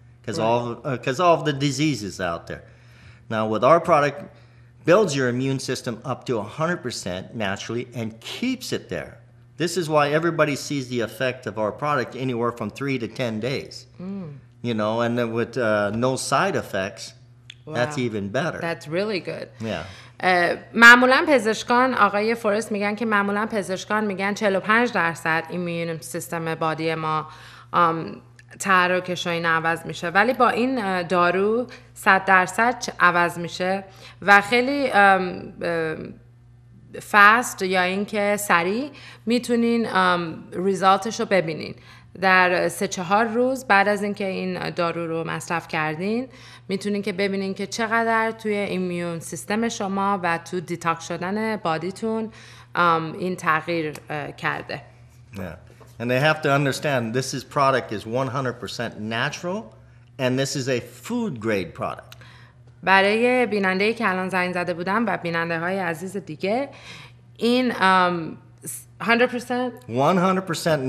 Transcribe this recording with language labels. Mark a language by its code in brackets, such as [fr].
[en] Because all of the diseases out there. Now, with our product, builds your immune system up to 100% naturally and keeps it there. This is why everybody sees the effect of our product anywhere from 3 to 10 days. Mm. You know, and then with no side effects, wow. That's even better. That's really good. Yeah. [fa] معمولاً پزشکان، آقای فورست میگن که معمولاً پزشکان میگن 45% [en] immune system body [fa] ما تحرکش این عوض میشه، ولی با این دارو 100% عوض میشه و خیلی فست یا اینکه سریع میتونین ریزالتش رو ببینین. در 3-4 روز بعد از اینکه این دارو رو مصرف کردین میتونین که ببینین که چقدر توی ایمیون سیستم شما و تو دیتاک شدن بادیتون این تغییر کرده. [en] Yeah. And they have to understand this product is 100% natural, and this is a food grade product. [fa] برای بیننده‌ای که الان زنگ زده بودم و بیننده‌های عزیز دیگه این 100%